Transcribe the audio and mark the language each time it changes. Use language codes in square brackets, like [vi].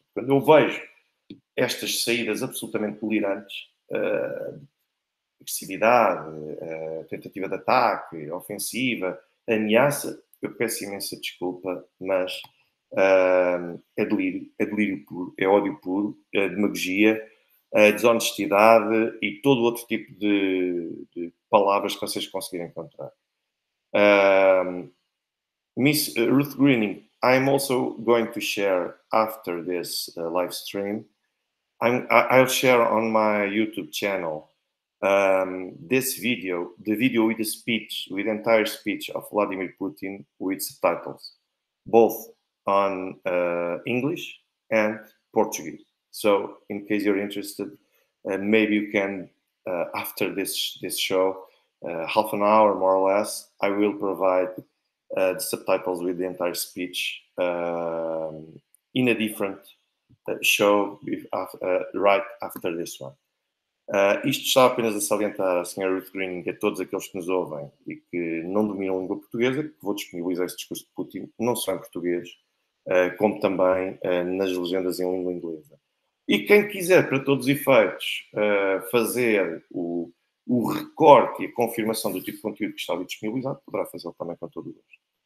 [pt] Quando eu vejo estas saídas absolutamente delirantes, agressividade, tentativa de ataque, ofensiva, ameaça, eu peço imensa desculpa, mas é delírio puro, é ódio puro, é demagogia, é desonestidade e todo o outro tipo de palavras que vocês conseguirem encontrar. [en] Miss Ruth Greening, I'm also going to share after this live stream, I'll share on my YouTube channel this video, the video with the speech, with the entire speech of Vladimir Putin with subtitles, both on English and Portuguese. So, in case you're interested, maybe you can, after this show, half an hour more or less, I will provide the subtitles with the entire speech in a different show right after this one. [pt] Isto está apenas a salientar à senhora Ruth Green e a todos aqueles que nos ouvem e que não dominam a língua portuguesa, que vou disponibilizar este discurso de Putin, não só em português, como também nas legendas em língua inglesa. E quem quiser, para todos os efeitos, fazer o recorte e a confirmação do tipo de conteúdo que está ali disponibilizado, poderá fazê-lo também com todo o gosto.